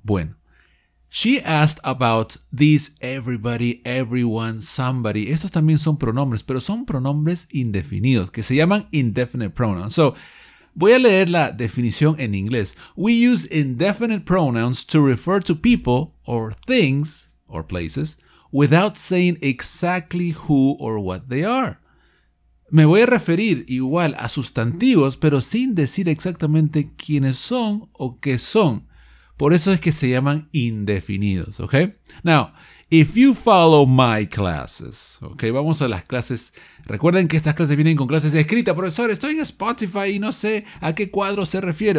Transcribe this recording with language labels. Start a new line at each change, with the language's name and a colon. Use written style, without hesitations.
English: Bueno, she asked about this everybody, everyone, somebody.
Spanish: Estos también son pronombres, pero son pronombres indefinidos, que se llaman indefinite pronouns. So, voy a leer la definición en inglés.
English: We use indefinite pronouns to refer to people or things or places without saying exactly who or what they are.
Spanish: Me voy a referir igual a sustantivos, pero sin decir exactamente quiénes son o qué son. Por eso es que se llaman indefinidos, ¿ok?
English: Now, if you follow my classes,
Spanish: ok, vamos a las clases. Recuerden que estas clases vienen con clases escritas. Profesor, estoy en Spotify y no sé a qué cuadro se refiere.